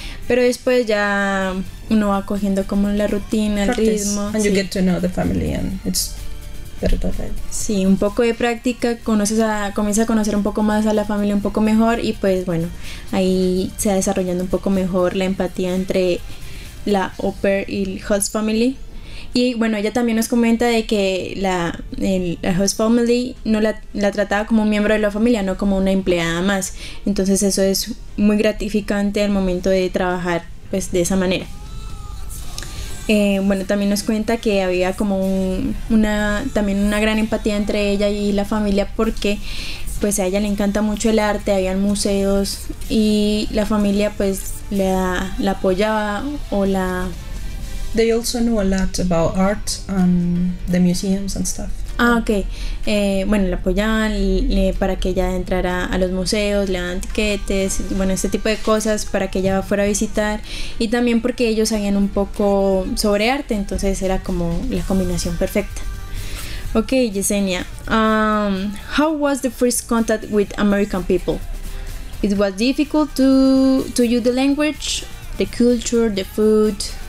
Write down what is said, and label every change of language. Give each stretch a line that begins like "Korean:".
Spanish: Pero después ya uno va cogiendo como la rutina, el ritmo.
English: And you get to know the family and it's...
Spanish: Sí, un poco de práctica, comienza a conocer un poco más a la familia, un poco mejor, y pues bueno, ahí se va desarrollando un poco mejor la empatía entre la au pair y el host family. Y bueno, ella también nos comenta de que la host family no la trataba como un miembro de la familia, no como una empleada más. Entonces eso es muy gratificante al momento de trabajar pues de esa manera. Bueno, también nos cuenta que había como una gran empatía entre ella y la familia porque pues a ella le encanta mucho el arte, habían museos y la familia pues la apoyaba o la...
English: They also knew a lot about art and the museums and stuff. Ah, ok.
Spanish: Bueno, la apoyaban para que ella entrara a los museos, le daban tiquetes, bueno, este tipo de cosas para que ella fuera a visitar. Y también porque ellos sabían un poco sobre arte, entonces era como la combinación perfecta. Ok, Yesenia.
English: How was the first contact with American people? It was difficult to you the language, the culture, the food?